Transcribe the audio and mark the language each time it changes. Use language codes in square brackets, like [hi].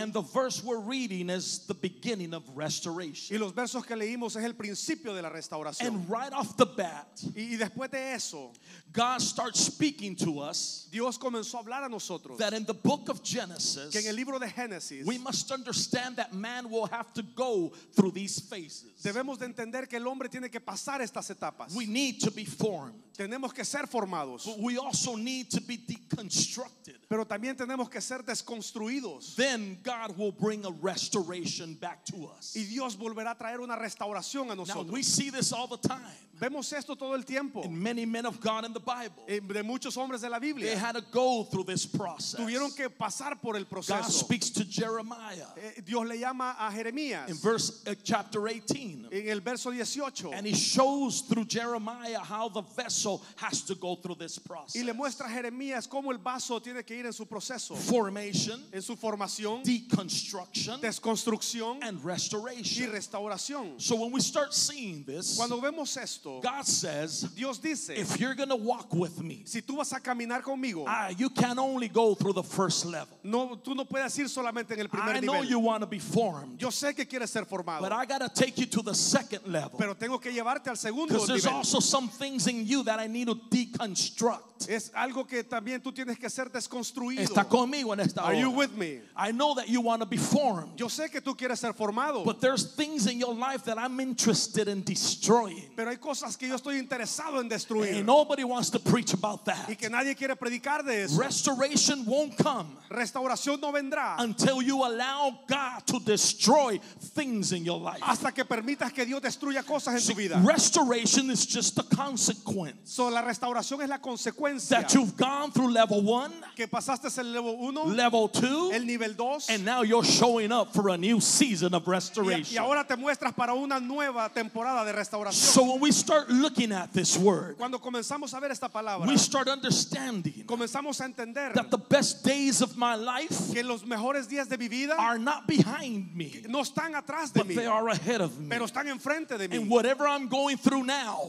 [en] And the verse we're reading is the beginning of restoration. [es] Y los versos que leímos es el principio de la restauración. [en] And right off the bat, [es] y después de eso, [en] God starts speaking to us. [es] Dios comenzó a hablar a nosotros. [en] That in the book of Genesis, [es] que en el libro de Génesis, [en] we must understand that man will have to go through these phases. [es] Debemos de entender que el hombre tiene que pasar estas etapas. [en] We need to be formed. [es] Tenemos que ser formados. [en] But we also need to be deconstructed. [es] Pero también tenemos que ser desconstruidos. [en] Then God will bring a restoration back to us. [es] Y Dios volverá a traer una restauración a nosotros. [en] Now we see this all the time. [es] Vemos esto todo el tiempo. [en] In many men of God in the Bible. [es] En de muchos hombres de la Biblia. [en] They had to go through this process. [es] Tuvieron que pasar por el proceso. [en] God speaks to Jeremiah. [es] Dios le llama a Jeremías. [en] In verse chapter 18. [es] En el verso 18. [en] And he shows through Jeremiah how the vessel has to go through this process. [es] Y le muestra a Jeremías cómo el vaso tiene que ir en su proceso. [en] Formation. [es] En su formación. [en] Deconstruction. [es] Desconstrucción. [en] And restoration. [es] Y restauración. [en] So when we start seeing this, [es] cuando vemos esto, [en] God says, [es] Dios dice, [en] if you're going to walk with me, [es] si tú vas a caminar conmigo, [en] you can only go through the first level. [es] No, tú no puedes ir solamente en el primer nivel. [en] I know you want to be formed. [es] Yo sé que quieres ser formado. [en] But I got to take you to the second level. [es] Pero tengo que llevarte al segundo nivel. [en] Because there's also some things in you that I need to deconstruct. [es] Es algo que también tú tienes que ser desconstruido. Está conmigo en esta hora. [en] Are you with me? I know that you want to be formed. [es] Yo sé que tú quieres ser formado. [en] But there's things in your life that I'm interested in destroying. [es] Pero hay cosas que yo estoy interesado en destruir. [en] And nobody wants to preach about that. [es] Y que nadie quiere predicar de eso. [en] Restoration won't come. [es] Restauración no vendrá. [en] Until you allow God to destroy things in your life. [es] Hasta que permitas que Dios destruya cosas en tu vida. [en] Restoration is just the consequence. [es] So la restauración es la consecuencia. [en] That you've gone through level one, [es] que pasaste el level uno, [en] level two, [es] el nivel dos, [en] and now you're showing up for a new season of restoration. [es] Y ahora te muestras para una nueva temporada de restauración. [en] So when we start looking at this word, [es] cuando comenzamos a ver esta palabra, [en] we start understanding, [es] comenzamos a entender, [en] that the best days of my life, [es] que los mejores días de mi vida, [en] are not behind me, [es] no están atrás de [en] but [es] mí, [en] they are ahead of me, [es] pero están enfrente de mí. [en] And whatever I'm going through now,